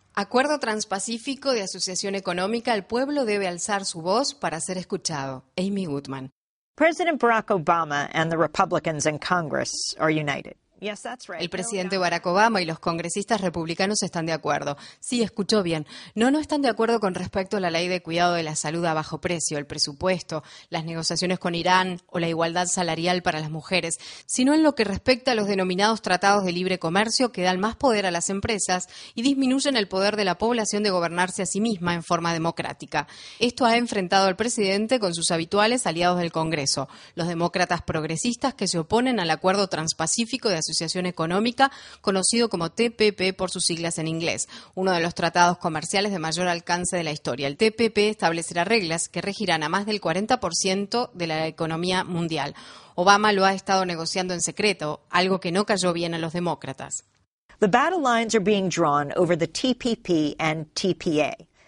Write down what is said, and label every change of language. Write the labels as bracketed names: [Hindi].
[Spanish] Acuerdo Transpacífico de Asociación Económica, el pueblo debe alzar su voz para ser escuchado. Amy Goodman. [English] President Barack Obama and the Republicans in Congress are united. Yes, that's right. [Spanish] El presidente Barack Obama y los congresistas republicanos están de acuerdo. Sí, escuchó bien. No están de acuerdo con respecto a la ley de cuidado de la salud a bajo precio, el presupuesto, las negociaciones con Irán o la igualdad salarial para las mujeres, sino en lo que respecta a los denominados tratados de libre comercio que dan más poder a las empresas y disminuyen el poder de la población de gobernarse a sí misma en forma democrática. Esto ha enfrentado al presidente con sus habituales aliados del Congreso, los demócratas progresistas que se oponen al acuerdo transpacífico de Asociación Económica, conocido como TPP por sus siglas en inglés, uno de los tratados comerciales de mayor alcance de la historia. El TPP establecerá reglas que regirán a más del 40% de la economía mundial. Obama lo ha estado negociando en secreto, algo que no cayó bien a los demócratas. [English] The battle lines are being drawn over the TPP and TPA.